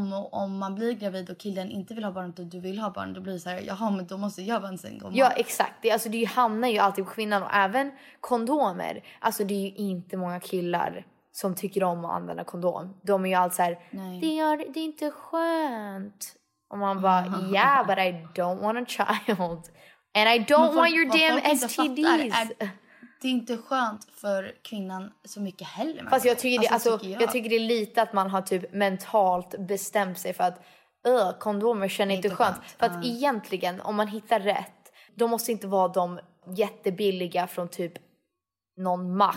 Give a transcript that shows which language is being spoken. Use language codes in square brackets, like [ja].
[sv] Om man blir gravid och killen inte vill ha barn och du vill ha barn, då blir det så här, jaha, men då måste jag vara en sen gång. Ja, exakt. Alltså, det hamnar ju alltid på kvinnan. Och även kondomer. Alltså, det är ju inte många killar som tycker om att använda kondom. De är ju alltid så här, det är inte skönt. Och man bara, [en] yeah, but I don't want a child. And I don't want your damn STDs. [sv] Det är inte skönt för kvinnan så mycket heller. Fast jag tycker, jag tycker det är lite att man har typ mentalt bestämt sig för att kondomer känner inte skönt. För att egentligen, om man hittar rätt, de måste inte vara de jättebilliga från typ någon mack.